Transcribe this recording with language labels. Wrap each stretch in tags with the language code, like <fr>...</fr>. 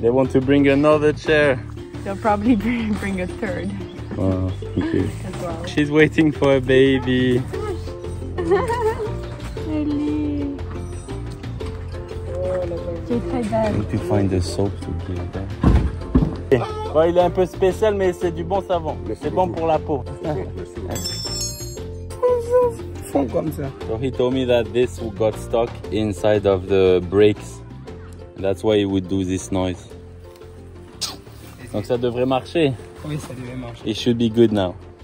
<en>They want to bring another chair. They'll probably bring a third. Wow, thank you. As well. She's waiting for a baby.</en> <fr>Je</fr> <en>need to find the soap to give them.</en> <fr>Bon, il est un peu spécial, mais c'est du bon savon. C'est bon pour la peau.</fr> <en>So he told me that this got stuck inside of the brakes. That's why it would do this noise.</en> <fr>Donc ça devrait marcher. Oui, ça devrait marcher.</fr> <en>It should be good now.</en>